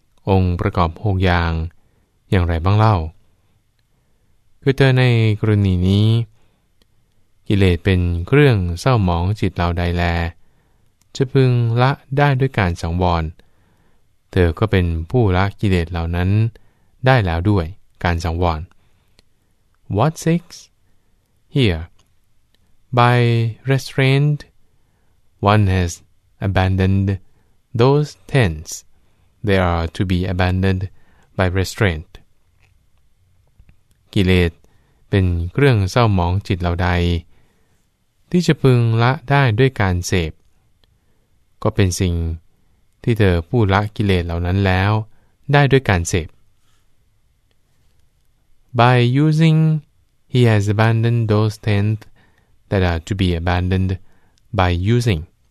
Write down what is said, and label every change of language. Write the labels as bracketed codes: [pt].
[th] องค์ประกอบ6อย่างอย่างไรบ้างเล่าคือเธอในกรณีนี้กิเลสเป็นเครื่องเศร้าหมองจิตเราใดแลจะพึงละได้ด้วยการสังวรเธอก็เป็นผู้ละกิเลสเหล่านั้นได้แล้วด้วยการสังวร [en] What six? Here, by restraint, one has abandoned those tens. They are to be abandoned by restraint. [th] กิเลสเป็นเครื่องเศร้าหมองจิตเราใดที่จะพึงละได้ด้วยการเสพก็เป็นสิ่งที่เธอผู้ละกิเลสเหล่านั้นแล้วได้ด้วยการเสพ [en] By using, he has abandoned those tenth that are to be abandoned by using.